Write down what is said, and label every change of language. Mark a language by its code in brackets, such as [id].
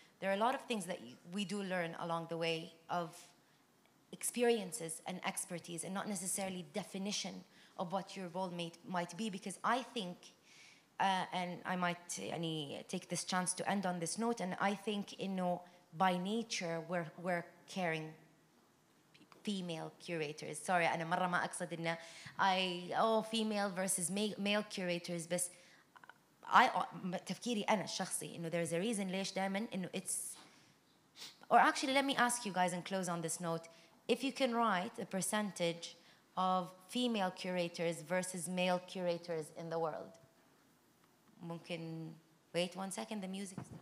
[en] there are a lot of things that we do learn along the way of experiences and expertise and not necessarily definition of what your role might be, because I think, and I might take this chance to end on this note, and I think, you know, by nature, we're caring female curators. Sorry, [ar] أنا مرة ما أقصد إنه [en] female versus male curators. [ar] بس تفكيري أنا الشخصي إنه [en] there is a reason [ar] ليش دائما إنه [en] it's. Or actually, let me ask you guys and close on this note: if you can write a percentage of female curators versus male curators in the world, [ar] ممكن [en] wait 1 second. The music.